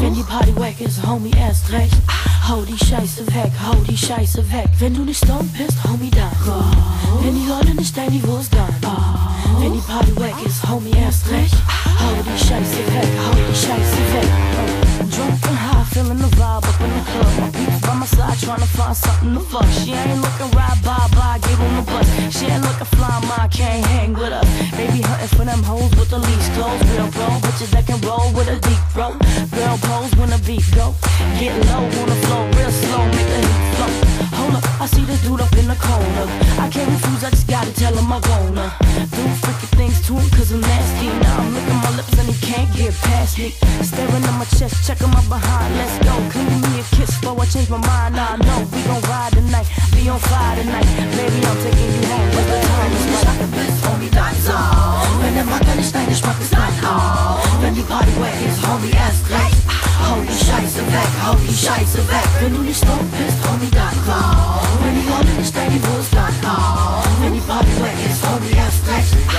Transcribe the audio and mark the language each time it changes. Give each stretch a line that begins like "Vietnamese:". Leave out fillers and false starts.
German: Wenn die Party wack ist, homie, erst recht. Hau die Scheiße weg, hau die Scheiße weg. Wenn du nicht stomp bist, homie, dann. Oh. Wenn die Leute nicht dein Niveau ist, dann. Oh. Wenn die Party wack ist, homie, erst recht. Hau die Scheiße weg, hau die Scheiße weg.
English: Drunk and high, feeling the vibe up in the club. My people by my side, trying to find something to fuck. She ain't looking right, bye-bye, gave him a bus. She ain't looking fly, my can't hang with us. Baby hunting for them hoes with the least clothes. Real bro, bitches that can roll with a deep throat. Girl pose when the beat go. Get low on the floor, real slow, make the heat flow. Hold up, I see the dude up in the corner. I can't refuse, I just gotta tell him I'm gonna do freaky things to him cause I'm nasty. Now I'm licking my lips and he can't get past me. Staring at my chest, checking my behind. Let's go, clean me a kiss before I change my mind. I know we gon' ride tonight, be on fire tonight. Baby, I'm taking you home, but the time is right.
German: Wenn der Macker nicht dein Geschmack ist, dann auch. Wenn die Party wack ist, homie, erst recht. Hau die Scheiße weg, hau die Scheiße weg. Wenn du nicht stumpf bist, homie, dann auch. Wenn die Leute nicht dein Niveau ist, dann auch. Wenn die Party wack ist, homie, erst recht.